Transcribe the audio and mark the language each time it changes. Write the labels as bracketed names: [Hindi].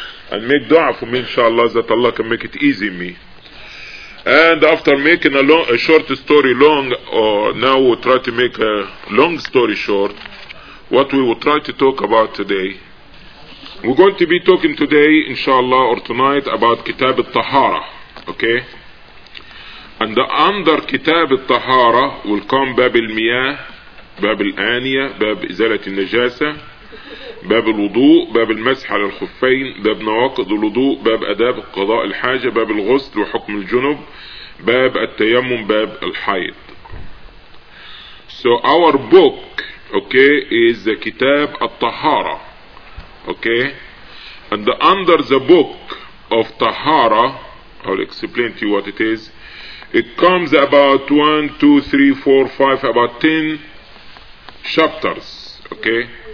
[English] and make dua for me, inshallah, that Allah can make it easy me. And after making a short story long, now we'll try to make a long story short, what we will try to talk about today. We're going to be talking today, inshallah, or tonight, about Kitab al-Tahara, okay? And under Kitab al-Tahara will come [Arabic] Bab al-Miyah, Bab al-Aniya, Bab Izalat al-Najasa, باب الوضوء باب المسح على الخفين باب نواقض الوضوء باب أداب قضاء الحاجة باب الغسل وحكم الجنب باب التيمم باب الحيض. [English] So our book, okay, is the كتاب الطهارة, okay, and under the book of طهارة, I'll explain to you what it is. It comes about 1, 2, 3, 4, 5, about 10 chapters, okay.